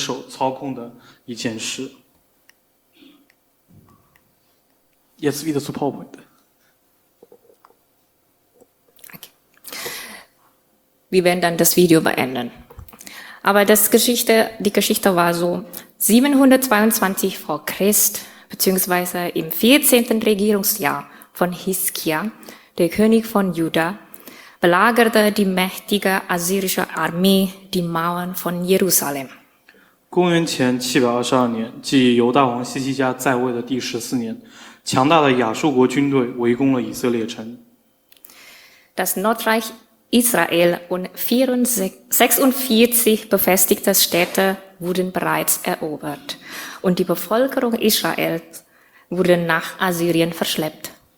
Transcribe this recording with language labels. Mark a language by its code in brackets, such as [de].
[zh] 当以色列人听到这首歌的时候，会想到神大能之手操控的一件事。 [de] Jetzt wieder zu PowerPoint. Wir werden dann das Video beenden. Aber die Geschichte war so, 722 vor Christ, beziehungsweise im 14. Regierungsjahr von Hiskia, der König von Juda, belagerte die mächtige assyrische Armee die Mauern von Jerusalem. [zh] 公元前722年，即犹大王西西家在位的第14年，强大的亚述国军队围攻了以色列城。 [de] Das Nordreich Israel und 46 befestigte Städte wurden bereits erobert, und die Bevölkerung Israels wurde nach Assyrien verschleppt.